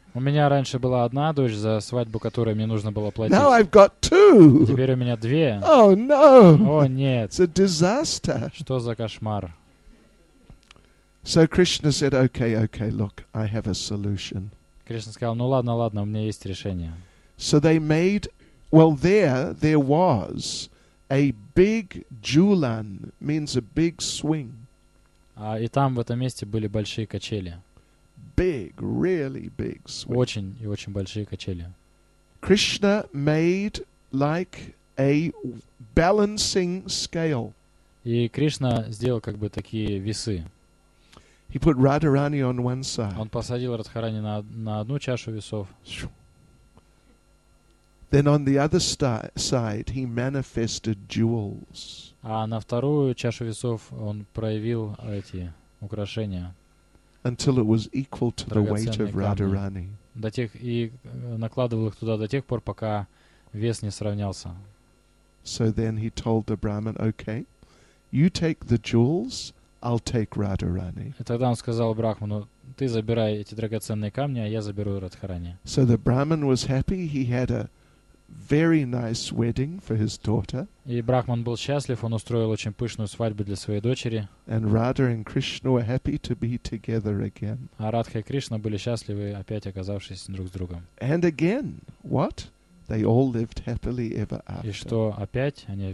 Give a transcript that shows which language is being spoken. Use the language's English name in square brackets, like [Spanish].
[Russian] У меня раньше была одна дочь, за свадьбу которой мне нужно было платить. [English] Now I've got two. [Russian] Теперь у меня две. [English] Oh, no. [Russian] О, нет. [English] It's a disaster. [Russian] Что за кошмар? [English] So Krishna said, okay, look, I have a solution. [Russian] Кришна сказал, ну ладно, у меня есть решение. [English] So they made, well, there was a big julan, means a big swing. [Russian] И там, в этом месте, были большие качели. [English] Big, really big swing. [Russian] Очень и очень большие качели. [English] Krishna made like a balancing scale. [Russian] И Кришна сделал как бы такие весы. [English] He put Radharani on one side. [Russian] Он посадил Радхарани на одну чашу весов. [English] Then on the other side he manifested jewels. [Russian] А на вторую чашу весов он проявил эти украшения. [English] Until it was equal to the weight of Radharani. [Russian] До тех и накладывал их туда до тех пор, пока вес не сравнялся. [English] So then he told the Brahmin, "Okay, you take the jewels, I'll take Radharani." [Russian] И тогда он сказал брахману: "Ты забирай эти драгоценные камни, а я заберу Радхарани." [English] So the Brahmin was happy. He had a very nice wedding for his daughter. [Russian] И брахман был счастлив, он устроил очень пышную свадьбу для своей дочери. [English] And Radha and Krishna were happy to be together again. [Russian] А Радха и Кришна были счастливы, опять оказавшись друг с другом. [English] And again, what? They all lived happily ever after. [Russian] И что, опять они вместе долго и счастливо жили.